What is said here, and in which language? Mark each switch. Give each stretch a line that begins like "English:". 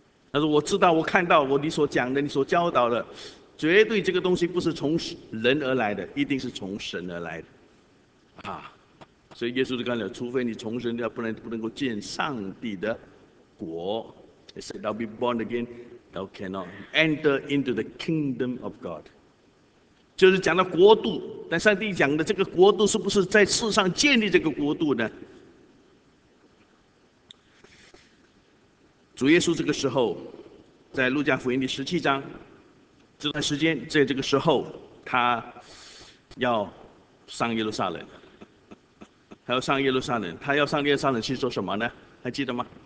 Chinese: 他说：“我知道，我看到，你所讲的，你所教导的，绝对这个东西不是从人而来的，一定是从神而来的。” 啊，所以耶稣就讲了：“除非你从神，要不然不能够见上帝的。”
English: 国 ，He said, "I'll be born again. Thou cannot enter into the kingdom of God."
Chinese: 就是讲到国度，但上帝讲的这个国度是不是在世上建立这个国度呢？主耶稣这个时候，在路加福音第十七章这段时间，在这个时候，他要上耶路撒冷，他要上耶路撒冷，他要上耶路撒冷去做什么呢？还记得吗？